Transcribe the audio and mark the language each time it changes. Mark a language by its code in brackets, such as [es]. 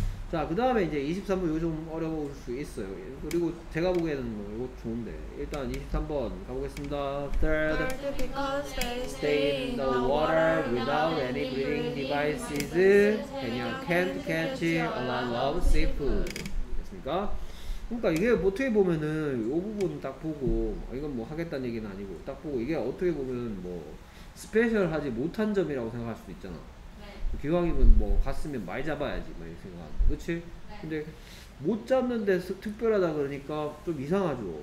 [ko] 자, 그 다음에 이제 23번 요 좀 어려울 수 있어요. 그리고 제가 보기에는 뭐 이거 좋은데. 일단 23번 가보겠습니다. [en] Third, because they stay in the water without any breathing devices, 해녀 can't catch a lot of seafood. [ko] 됐습니까? 그러니까 이게 어떻게 보면은 요 부분 딱 보고, 이건 뭐 하겠다는 얘기는 아니고, 딱 보고 이게 어떻게 보면 뭐 스페셜하지 못한 점이라고 생각할 수도 있잖아. 기왕이면 뭐 갔으면 많이 잡아야지 막 이렇게 생각하는 거 그치? 네. 근데 못 잡는데 특별하다 그러니까 좀 이상하죠.